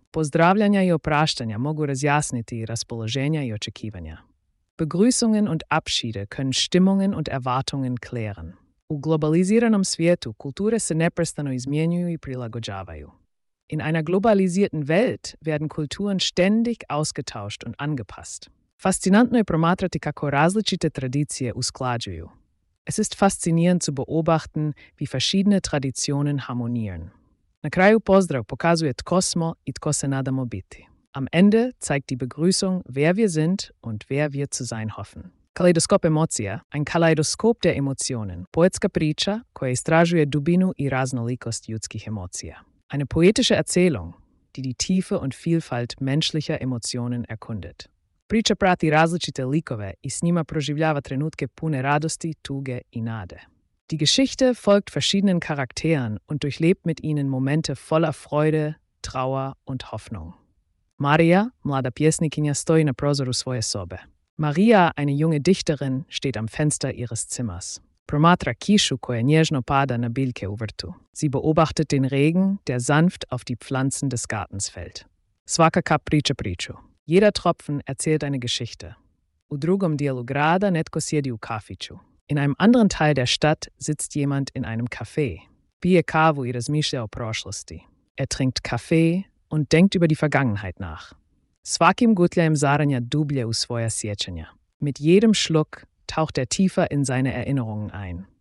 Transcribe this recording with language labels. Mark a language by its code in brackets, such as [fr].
[hr] Pozdravljanja i opraštanja mogu razjasniti raspoloženja i očekivanja. [de] Begrüßungen und Abschiede können Stimmungen und Erwartungen klären. [hr] U globaliziranom svijetu kulture se neprestano izmjenjuju i prilagođavaju. [de] In einer globalisierten Welt werden Kulturen ständig ausgetauscht und angepasst. [hr] Faszinantno je promatrati kako različite tradicije usklađuju. [de] Es ist faszinierend zu beobachten, wie verschiedene Traditionen harmonieren. [hr] Na kraju pozdrav pokazuje tko smo i tko se nadamo biti. [de] Am Ende zeigt die Begrüßung, wer wir sind und wer wir zu sein hoffen. [hr] Kaleidoskop emocija, [de] ein Kaleidoskop der Emotionen, [hr] poetska priča koja istražuje dubinu i raznolikost ljudskih emocija. [de] Eine poetische Erzählung, die die Tiefe und Vielfalt menschlicher Emotionen erkundet. [hr] Priča prati različite likove i s njima proživljava trenutke pune radosti, tuge i nade. [de] Die Geschichte folgt verschiedenen Charakteren und durchlebt mit ihnen Momente voller Freude, Trauer und Hoffnung. [hr] Maria, mlada pjesnikinja, stoji na prozoru svoje sobe. [de] Maria, eine junge Dichterin, steht am Fenster ihres Zimmers. [hr] Promatra kišu koja nježno pada na biljke u vrtu. [de] Sie beobachtet den Regen, der sanft auf die Pflanzen des Gartens fällt. [hr] Svaka kap priča priču. [de] Jeder Tropfen erzählt eine Geschichte. [hr] U drugom dijelu grada netko sjedi u kafiću. [de] In einem anderen Teil der Stadt sitzt jemand in einem Café. [hr] Pije kavu i razmišlja o prošlosti. [de] Er trinkt Kaffee und denkt über die Vergangenheit nach. [hr] Svakim gutljajem zaranja dublje u svoja sjećanja. [de] Mit jedem Schluck taucht er tiefer in seine Erinnerungen ein.